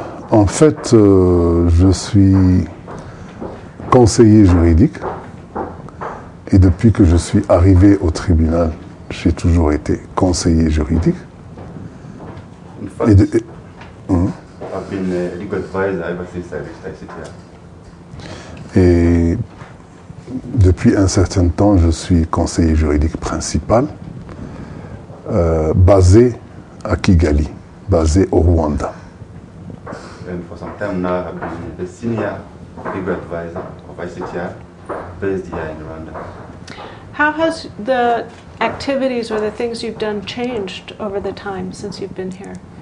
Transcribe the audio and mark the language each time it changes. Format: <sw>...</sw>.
<fr>En fait, je suis conseiller juridique. Et depuis que je suis arrivé au tribunal, j'ai toujours été conseiller juridique.</fr> <en>I've been a legal advisor ever since I reached ICTR.</en> <fr>Et depuis un certain temps, je suis conseiller juridique principal, basé à Kigali, basé au Rwanda.</fr> <en>And for some time now, I've been the senior legal advisor of ICTR, based here in Rwanda. How has the activities or the things you've done changed over the time since you've been here?</en>